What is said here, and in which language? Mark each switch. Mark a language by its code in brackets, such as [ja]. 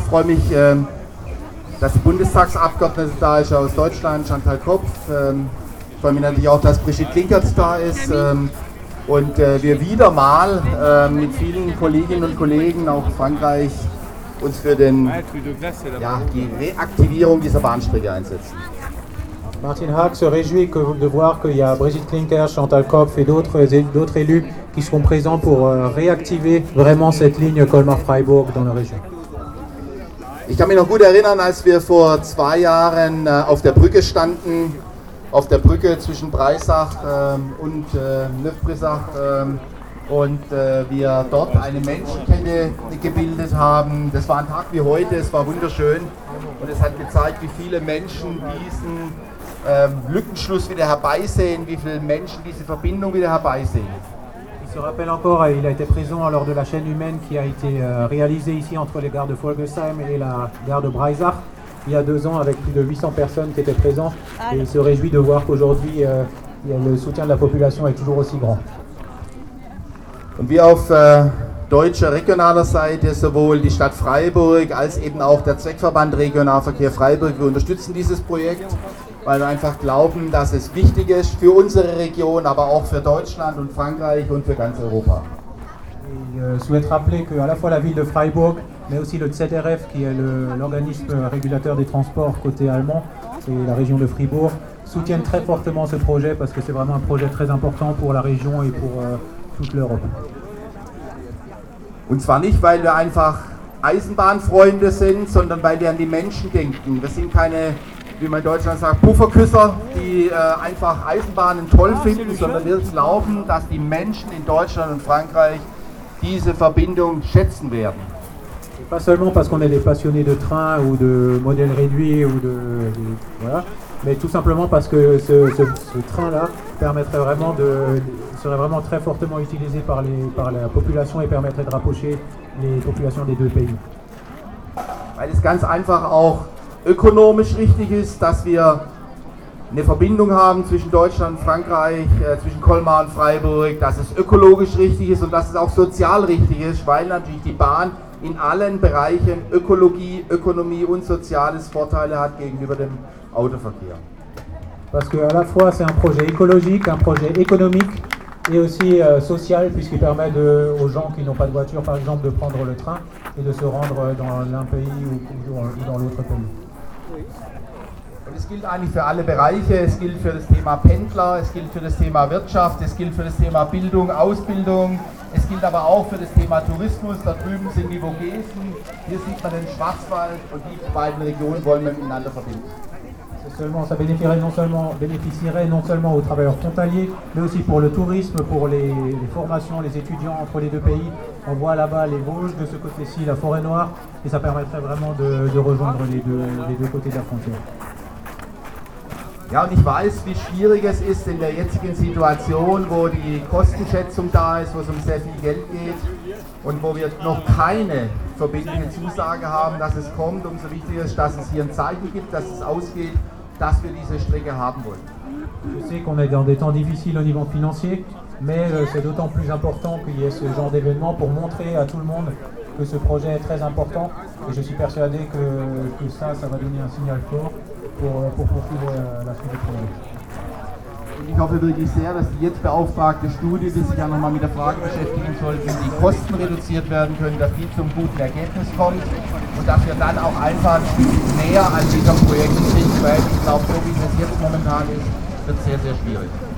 [de] Ich freue mich, dass die Bundestagsabgeordnete da ist aus Deutschland, Chantal Kopf. Ich freue mich natürlich auch, dass Brigitte Klinkert da ist. Und wir wieder mal mit vielen Kolleginnen und Kollegen, auch Frankreich, uns für den, ja, die Reaktivierung dieser Bahnstrecke einsetzen. [fr] Martin Haack se réjouit de voir qu'il y a Brigitte Klinker, Chantal Kopf et d'autres élus qui seront présents pour réactiver vraiment cette ligne Colmar-Freiburg dans la région. [de] Ich kann mich noch gut erinnern, als wir vor zwei Jahren auf der Brücke standen, auf der Brücke zwischen Breisach und Nöfbrisach, und wir dort eine Menschenkette gebildet haben. Das war ein Tag wie heute, es war wunderschön und es hat gezeigt, wie viele Menschen diesen Lückenschluss wieder herbeisehen, wie viele Menschen diese Verbindung wieder herbeisehen. [fr] Je me rappelle encore, il a été présent lors de la chaîne humaine qui a été réalisée ici entre les gares de Folgesheim et la gare de Breisach il y a deux ans avec plus de 800 personnes qui étaient présentes. Et il se réjouit de voir qu'aujourd'hui le soutien de la population est toujours aussi grand. [de] Und wie auf deutscher regionaler Seite sowohl die Stadt Freiburg als eben auch der Zweckverband Regionalverkehr Freiburg, wir unterstützen dieses Projekt. Weil wir einfach glauben, dass es wichtig ist für unsere Region, aber auch für Deutschland und Frankreich und für ganz Europa. [fr] Ich souhaite rappeler que à la fois la ville de Freiburg, mais aussi le ZRF, qui est l'organisme régulateur des transports côté allemand, et la région de Fribourg, soutiennent très fortement ce projet, parce que c'est vraiment un projet très important pour la région et pour toute l'Europe. [de] Und zwar nicht, weil wir einfach Eisenbahnfreunde sind, sondern weil wir an die Menschen denken. Wir sind keine, wie man in Deutschland sagt, Pufferküsser, die einfach Eisenbahnen toll finden, sondern wir glauben, dass die Menschen in Deutschland und Frankreich diese Verbindung schätzen werden. [fr] Pas seulement parce qu'on est des passionnés de train ou de modèles réduits ou de voilà, mais tout simplement parce que ce train-là permettrait vraiment serait vraiment très fortement utilisé par la population et permettrait de rapprocher les populations des deux pays. [de] Weil es ganz einfach auch ökonomisch richtig ist, dass wir eine Verbindung haben zwischen Deutschland und Frankreich, zwischen Colmar und Freiburg, dass es ökologisch richtig ist und dass es auch sozial richtig ist, weil natürlich die Bahn in allen Bereichen Ökologie, Ökonomie und Soziales Vorteile hat gegenüber dem Autoverkehr. [fr] Parce que à la fois c'est un projet écologique, un projet économique et aussi social, puisqu'il permet aux gens qui n'ont pas de voiture, par exemple, de prendre le train et de se rendre dans l'un pays ou dans l'autre pays. [de] Und es gilt eigentlich für alle Bereiche, es gilt für das Thema Pendler, es gilt für das Thema Wirtschaft, es gilt für das Thema Bildung, Ausbildung, es gilt aber auch für das Thema Tourismus, da drüben sind die Vogesen, hier sieht man den Schwarzwald und die beiden Regionen wollen wir miteinander verbinden. [fr] Ça bénéficierait non seulement aux travailleurs frontaliers, mais aussi pour le tourisme, pour les formations, les étudiants entre les deux pays. On voit là-bas les Vosges, de ce côté-ci la forêt noire, et ça permettrait vraiment de rejoindre les deux côtés de la frontière. [de] Ja, und ich weiß, wie schwierig es ist in der jetzigen Situation, wo die Kostenschätzung da ist, wo es sehr viel Geld geht und wo wir noch keine verbindliche Zusage haben, dass es kommt. Umso wichtiger ist, dass es hier ein Zeichen gibt, dass es ausgeht, dass wir diese Strecke haben wollen. [fr] Je sais qu'on est dans des temps difficiles au niveau financier, mais c'est d'autant plus important qu'il y ait ce genre d'événement pour montrer à tout le monde que ce projet est très important. Et je suis persuadé que ça va donner un signal fort. [de] Und ich hoffe wirklich sehr, dass die jetzt beauftragte Studie, die sich ja nochmal mit der Frage beschäftigen soll, wie die Kosten reduziert werden können, dass die zum guten Ergebnis kommt und dass wir dann auch einfach näher an diesem Projekt sind, weil ich glaube, so wie es jetzt momentan ist, wird es sehr, sehr schwierig.